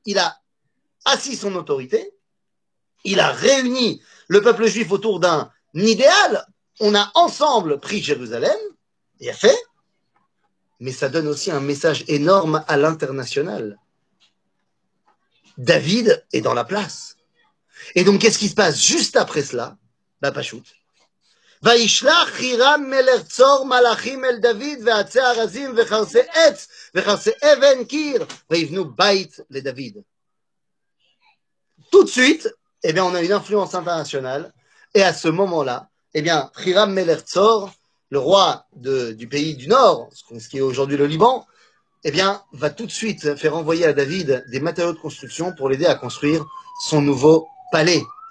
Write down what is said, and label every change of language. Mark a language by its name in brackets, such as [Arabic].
[French] Il a assis son autorité. Il a réuni le peuple juif autour d'un idéal. On a ensemble pris Jérusalem. Il a fait. Mais ça donne aussi un message énorme à l'international. David est dans la place. Et donc, qu'est-ce qui se passe juste après cela? Bah, pas shoot. [Hebrew] וישלח חירם מלך צור מלאכים אל דוד ועצי ארזים וחרסי עץ וחרסי אבן קיר ויבנו בית לדוד. [French] Tout de suite, eh bien, on a une influence internationale. Et à ce moment-là, eh bien, [Hebrew] חירם מלך צור, [French] le roi du pays du Nord, ce qui est aujourd'hui le Liban, eh bien, va tout de suite faire envoyer à David des matériaux de construction pour l'aider à construire son nouveau palais.